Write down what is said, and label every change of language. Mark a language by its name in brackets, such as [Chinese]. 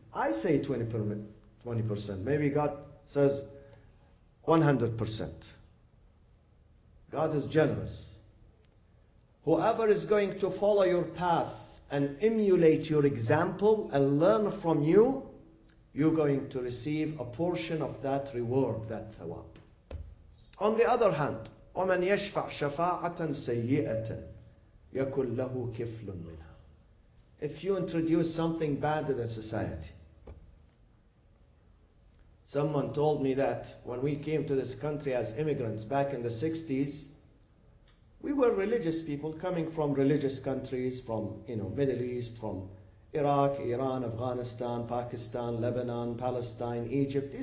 [English] I say 20%. Maybe God says 100%. God is generous. Whoever is going to follow your path and emulate your example and learn from you, you're going to receive a portion of that reward, that thawab. On the other hand, [Arabic] وَمَنْ يَشْفَعْ شَفَاعَةً سَيِّئَةً يَكُلْ لَهُ كِفْلٌ مِنْهَا. [English] If you introduce something bad to the society, someone told me that when we came to this country as immigrants back in the 60s, we were religious people coming from religious countries, from, you know, Middle East, from Iraq, Iran, Afghanistan, Pakistan, Lebanon, Palestine, Egypt.